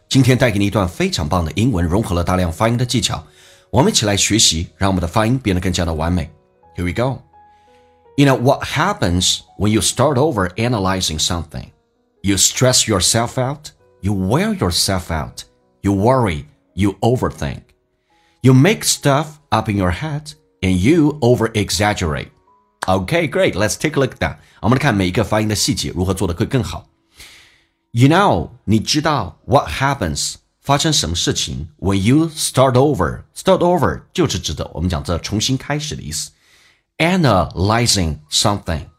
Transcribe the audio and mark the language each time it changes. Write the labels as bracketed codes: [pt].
[zh] 今天带给你一段非常棒的英文，融合了大量发音的技巧，我们一起来学习，让我们的发音变得更加的完美。 [en] Here we go. You know what happens when you start over analyzing something? You stress yourself out, you wear yourself out, you worry, you overthink. You make stuff up in your head and you over-exaggerate. Okay, great. Let's take a look at that. [zh] 我们来看每一个发音的细节如何做得会更好。 [en] You know, [zh] 你知道 [en] what happens, [zh] 发生什么事情 [en] when you start over. Start over [zh] 就是指的我们讲这重新开始的意思。 [en] Analyzing something.